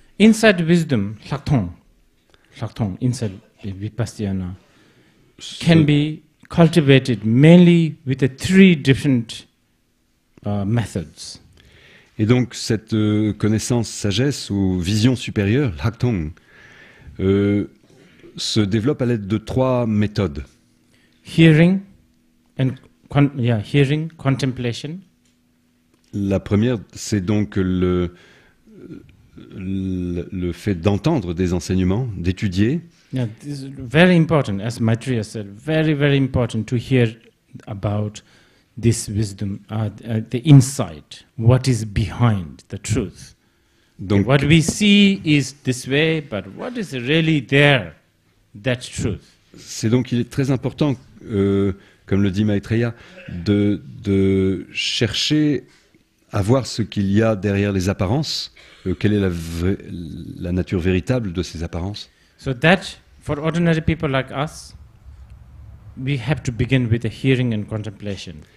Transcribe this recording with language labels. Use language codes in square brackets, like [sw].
[en] Inside wisdom, Chakton, inside Vipassana, can be cultivated mainly with the three different methods. [fr] Et donc cette connaissance, sagesse ou vision supérieure, Chakton, se développe à l'aide de trois méthodes. [en] Hearing and hearing, contemplation. [fr] La première, c'est donc le fait d'entendre des enseignements, d'étudier. [en] Yeah, this is very important, as Maitreya said, very, very important to hear about this wisdom, the insight, what is behind the truth. [fr] Donc, [en] what we see is this way, but what is really there, that truth? [fr] C'est donc il est très important, comme le dit Maitreya, de chercher à voir ce qu'il y a derrière les apparences, quelle est la nature véritable de ces apparences. [en] So that, for ordinary people like us, we have to begin with the hearing and contemplation.